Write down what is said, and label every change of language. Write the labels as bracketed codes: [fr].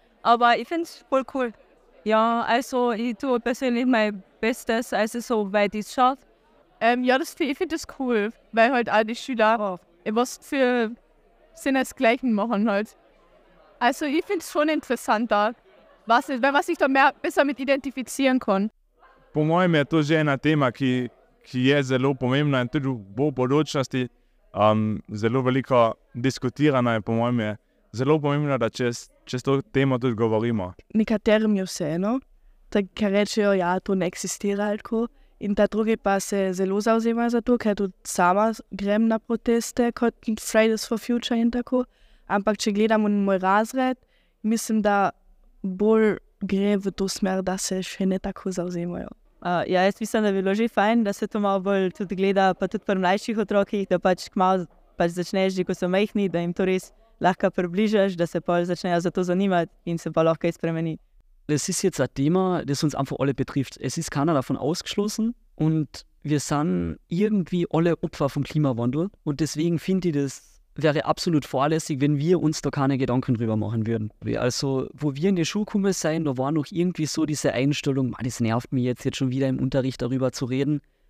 [de] Aber ich finde es voll cool. Ja, also ich tue persönlich mein Bestes, also so weit ich es schaffe. Ich finde das cool, weil halt alle Schüler was für Sinn als Gleichen machen halt. Also ich finde es schon interessanter, was ich da mehr besser mit identifizieren kann. [sl] Po mojem je to že ena tema, ki je zelo pomembna in tudi bo v bodočnosti zelo veliko diskutirana in po mojem je zelo pomembno, da čez to temo tudi govorimo. Nekaterim je vseeno, ker rečejo, to ne eksistira tako. In ta druge pa se zelo zauzema za to, ker tudi sama grem na proteste kot Fridays for Future in tako. Ampak če gledamo na moj razred, mislim, da bolj gre v to smer, da se še ne tako zauzemajo. Jaz mislim, da bi bilo že fajn, da se to malo bolj tudi gleda, pa tudi pri mlajših otrokih, da pač kmalo pač začneš, ko so majhni, da jim to res lahko približaš, da se pol začnejo za to zanimati in se pa lahko spremeni. [de] Das ist jetzt ein Thema, das uns einfach alle betrifft. Es ist keiner davon ausgeschlossen und wir sind irgendwie alle Opfer vom Klimawandel. Und deswegen finde ich das wäre absolut fahrlässig, wenn wir uns da keine Gedanken drüber machen würden. Also, wo wir in die Schule gekommen sind, da war noch irgendwie so diese Einstellung, man, das nervt mich jetzt schon wieder im Unterricht darüber zu reden.